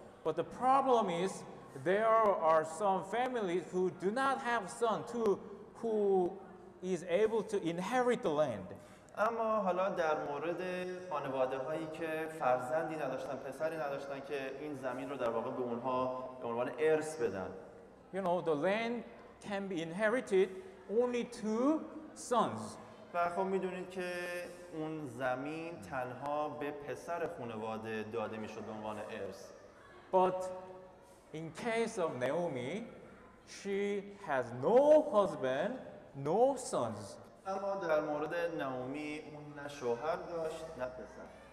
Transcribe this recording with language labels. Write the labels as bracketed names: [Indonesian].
[English] But the problem is there are some families who do not have son who is able to inherit the land. [Persian] اما حالا در مورد خانواده هایی که فرزندی نداشتن، پسری نداشتن که این زمین رو در واقع به اونها به عنوان ارث بدن. [English] You know, the land can be inherited only to sons. [Persian] و خب میدونید که اون زمین تنها به پسر خانواده داده میشد به عنوان ارث. [English] But in case of Naomi, she has no husband, no sons. [Persian] اما در مورد نعومی اون نه شوهر داشت نه پسر.